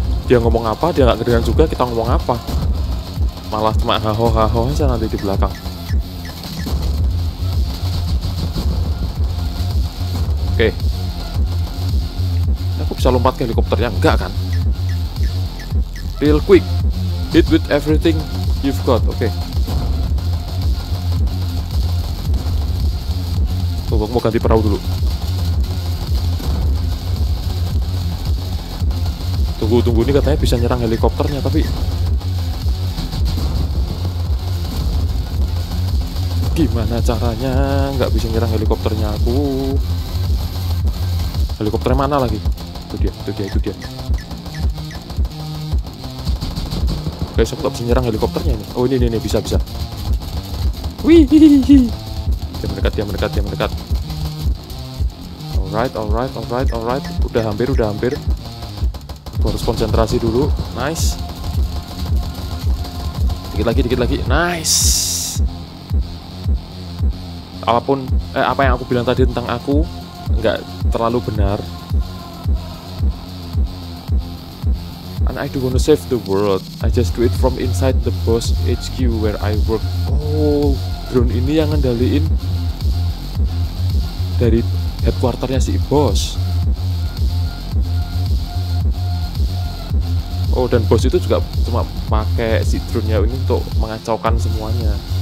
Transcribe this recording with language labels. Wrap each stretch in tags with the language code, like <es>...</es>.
<id>Dia ngomong apa, dia nggak kedengeran juga kita ngomong apa. Malah cuma haho aja nanti di belakang. Oke. Aku bisa lompat ke helikopternya, enggak kan?</id> <en>Real quick, hit with everything you've got.</en> <id>Oke. Tunggu, mau ganti perahu dulu. Tunggu, ini katanya bisa nyerang helikopternya, tapi gimana caranya nggak bisa nyerang helikopternya aku? Helikopter mana lagi? Itu dia. Guys, aku gak bisa nyerang helikopternya ini. Oh, ini bisa. Wih. Dia mendekat. Alright. Udah hampir. Aku harus konsentrasi dulu. Nice. Dikit lagi. Nice. Apa yang aku bilang tadi tentang aku, enggak terlalu benar.</id> <en>And I do wanna save the world. I just do it from inside the boss HQ where I work.</en> <id>Oh, drone ini yang ngendaliin dari headquarternya si boss. Oh, dan boss itu juga cuma pakai si drone-nya ini untuk mengacaukan semuanya.</id>